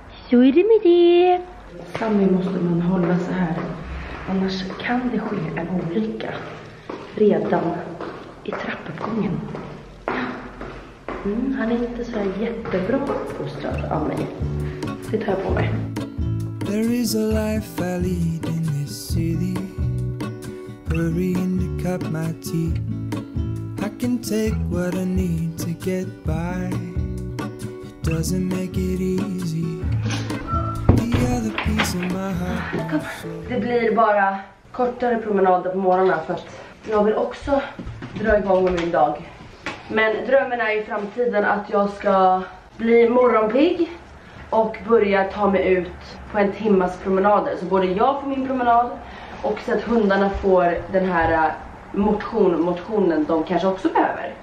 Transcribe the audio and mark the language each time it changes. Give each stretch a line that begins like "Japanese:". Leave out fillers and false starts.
Swedish: Så är det med det. Sammy måste man hålla så här. Annars kan det ske en olycka. Redan i trappuppgången. Mm, han är inte så här jättebra uppfostrad av mig. Det tar jag på mig.
English: There is a life I lead in this city, hurrying to cut my teeth. I can take what I need to get by. It doesn't make it easy. The other piece of my heart.
Swedish: Det blir bara kortare promenader på morgonen för att jag vill också dra igång med min dag. Men drömmen är i framtiden att jag ska bli morgonpigg. Och börja ta mig ut på en timmas promenader. Så både jag får min promenad. Och så att hundarna får den här motionen de kanske också behöver.